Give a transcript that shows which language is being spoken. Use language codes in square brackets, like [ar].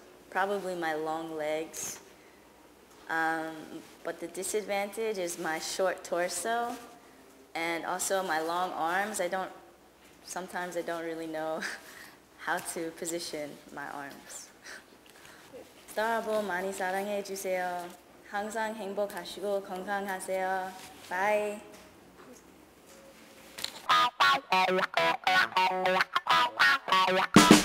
[en] Probably my long legs. But the disadvantage is my short torso and also my long arms. Sometimes I don't really know how to position my arms. [ko] 스타화보 많이 사랑해 주세요. 항상 행복하시고 건강하세요. [en] Bye. I'm not going to be able to do that.